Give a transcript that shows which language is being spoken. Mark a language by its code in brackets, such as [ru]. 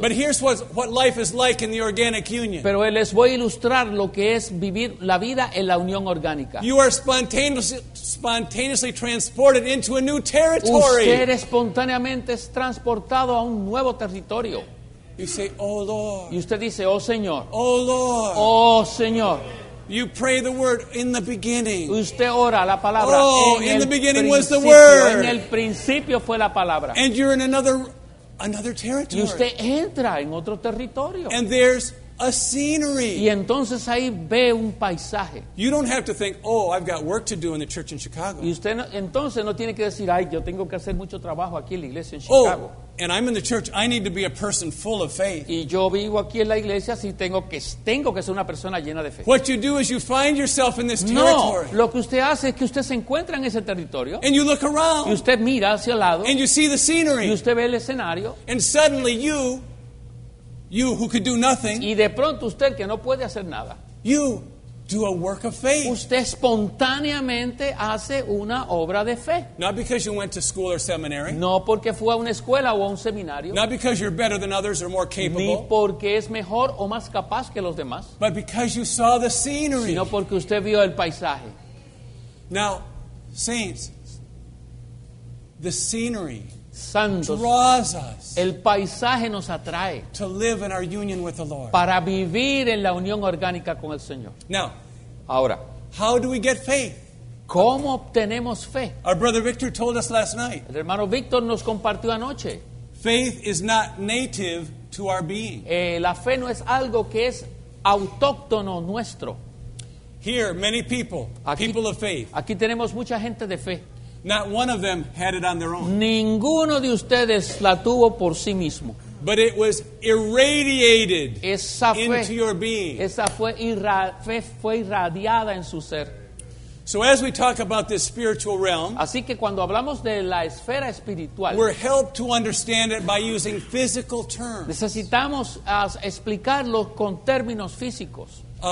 [en] But here's what life is like in the organic union. [es] Pero les voy a ilustrar lo que es vivir la vida en la unión orgánica. [en] You are spontaneously transported into a new territory. [es] Usted espontáneamente es transportado a un nuevo territorio. [en] You say, oh Lord. [es] Y usted dice, oh Señor. [en] Oh Lord. [es] Oh Señor. [en] You pray the word in the beginning. [es] Usted ora la palabra. [en] Oh, [es] en [en] in the beginning was the word. [es] En el principio fue la palabra. [en] And you're in another territory. [es] Y usted entra en otro territorio. [en] And there's a scenery. [es] Y entonces ahí ve un paisaje. [en] You don't have to think, oh, I've got work to do in the church in Chicago. [es] Y usted no, entonces no tiene que decir, ay, yo tengo que hacer mucho trabajo aquí en la iglesia en Chicago. [en] Oh, and I'm in the church, I need to be a person full of faith. [es] Y yo vivo aquí en la iglesia, así tengo que ser una persona llena de fe. [en] What you do is you find yourself in this territory. [es] No, lo que usted hace es que usted se encuentra en ese territorio. [en] And you look around. [es] Y usted mira hacia el lado. [en] And you see the scenery. [es] Y usted ve el escenario. [en] And suddenly you who could do nothing. [es] Y de pronto usted que no puede hacer nada. [en] You do a work of faith. [es] Usted espontáneamente hace una obra de fe. [en] Not because you went to school or seminary. [es] No porque fue a una escuela o a un seminario. [en] Not because you're better than others or more capable. [es] Ni porque es mejor o más capaz que los demás. [en] But because you saw the scenery. [es] Sino porque usted vio el paisaje. [en] Now, saints, the scenery, [es] santos, [en] draws us, [es] el paisaje nos atrae, [en] to live in our union with the Lord, [es] para vivir en la unión orgánica con el Señor. [en] Now, [es] ahora, [en] how do we get faith? [es] ¿Cómo obtenemos fe? [en] Our brother Victor told us last night. [es] El hermano Victor nos compartió anoche. [en] Faith is not native to our being. [es] La fe no es algo que es autóctono nuestro. [en] Here, many people of faith. [es] Aquí tenemos mucha gente de fe. [en] Not one of them had it on their own. [es] Ninguno de ustedes la tuvo por sí mismo. [en] But it was irradiated into your being. [es] Esa fue irradiada en su ser. [en] So as we talk about this spiritual realm, [es] así que cuando hablamos de la esfera espiritual, [en] we're helped to understand it by using physical terms. [es] Necesitamos explicarlo con términos físicos.